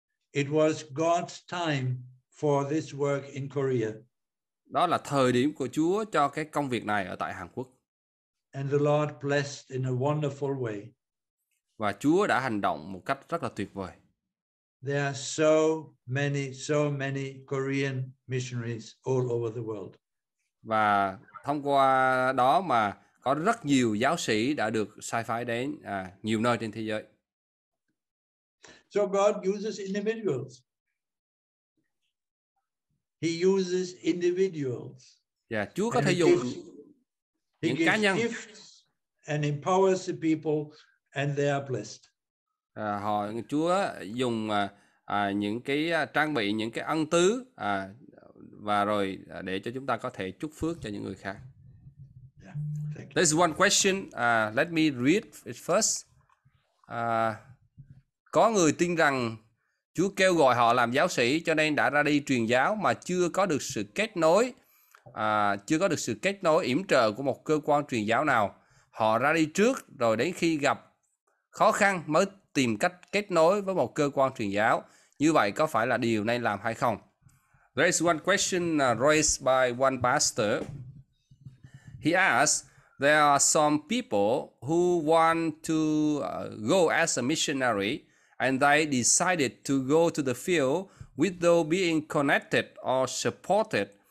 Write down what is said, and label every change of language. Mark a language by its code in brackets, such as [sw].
[en] It was God's time for this work in Korea. [vi] Đó là thời điểm của Chúa cho cái công việc này ở tại Hàn Quốc. [en] And the Lord blessed in a wonderful way. [vi] Và Chúa đã hành động một cách rất là tuyệt vời. [en] There are so many Korean missionaries all over the world. [vi] Và thông qua đó mà có rất nhiều giáo sĩ đã được sai phái đến nhiều nơi trên thế giới. [en] So God uses individuals. He uses individuals. [vi] Yeah, Chúa có thể dùng những cá nhân. [en] He gives gifts and empowers the people and they are blessed. [vi] Chúa dùng những cái trang bị, những cái ân tứ và rồi để cho chúng ta có thể chúc phước cho những người khác. Yeah, [en] there's one question. Let me read it first. [vi] Có người tin rằng Chúa kêu gọi họ làm giáo sĩ cho nên đã ra đi truyền giáo mà chưa có được sự kết nối, yểm trợ của một cơ quan truyền giáo nào. Họ ra đi trước rồi đến khi gặp khó khăn mới tìm cách kết nối với một cơ quan truyền giáo. Như vậy có phải là điều nên làm hay không? [en] There is one question raised by one pastor. He asks, there are some people who want to go as a missionary and they decided to go to the field without being connected or supported